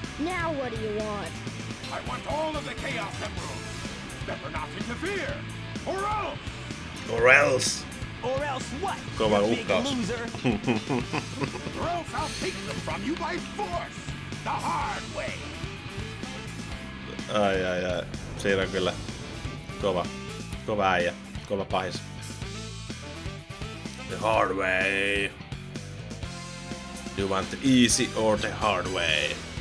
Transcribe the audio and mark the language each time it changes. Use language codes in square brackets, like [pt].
[en] Now what do you want? I want all of the Chaos Emeralds. Better not interfere. Or else. Or else. Or else what? [fi] Kova uhkaus. [en] Or else I'll take them from you by force. The hard way. [fi] Ai ai ai, siinä on kyllä kova, kova äijä, kova pahis. [en] The hard way. You want the easy or the hard way?